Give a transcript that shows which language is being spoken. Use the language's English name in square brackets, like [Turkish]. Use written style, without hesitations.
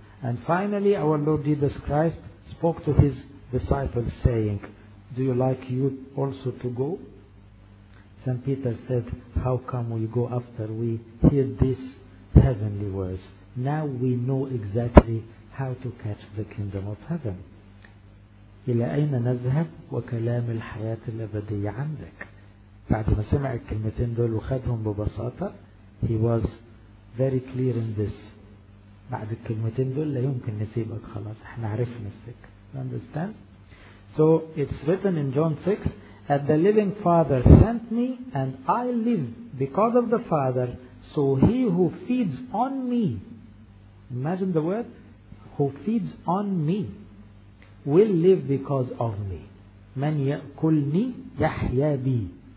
[English] And finally, our Lord Jesus Christ spoke to his disciples saying, do you like you also to go? St. Peter said, how come we go after we hear these heavenly words? Now we know exactly how to catch the kingdom of heaven. [Arabic] إلى أين نذهب وكلام الحياة الأبدية عندك؟ بعد ما سمع الكلمتين دول وخدهم ببساطة, [English] he was very clear in this. [Arabic] بعد الكلمتين دول لا يمكن نسيبك خلاص, احنا عرفنا السك. [English] Understand? So it's written in John 6, that the living Father sent me and I live because of the Father, so he who feeds on me, imagine the word, who feeds on me, will live because of me. [Arabic] من يأكلني يحيا بي.